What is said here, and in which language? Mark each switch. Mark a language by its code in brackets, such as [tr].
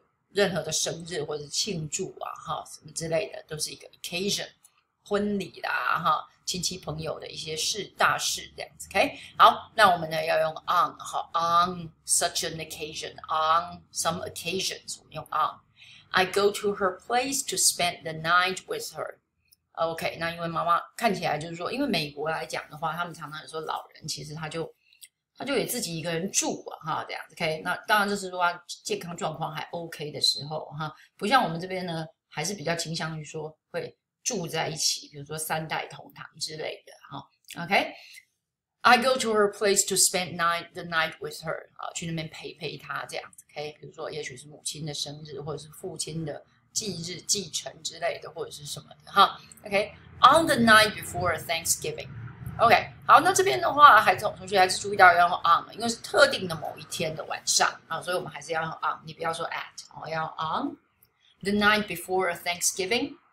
[zh] 任何的生日或者庆祝啊什么之类的都是一个 occasion,婚礼啦哈，亲戚朋友的一些事大事这样子 ，OK。好，那我们呢要用 on 哈 ， [en] on such an occasion，on some occasions [zh] 我们用 on。 [en] I go to her place to spend the night with her. [zh] OK，那因为妈妈看起来就是说，因为美国来讲的话，他们常常说老人其实他就也自己一个人住啊，哈，这样子。 OK，那当然这是说他健康状况还 OK 的时候哈，不像我们这边呢，还是比较倾向于说会住在一起，比如说三代同堂之类的哈。 OK。 [en] I go to her place to spend the night with her. [zh] 啊，去那边陪陪她这样子。OK， 比如说，也许是母亲的生日，或者是父亲的忌日、忌辰之类的，或者是什么的哈。 OK， [en] on the night before Thanksgiving. [zh] OK， 好，那这边的话，同学还是注意到要用 on， 因为是特定的某一天的晚上啊，所以我们还是要用 on， 你不要说 at 哦，要 [en] on the night before Thanksgiving。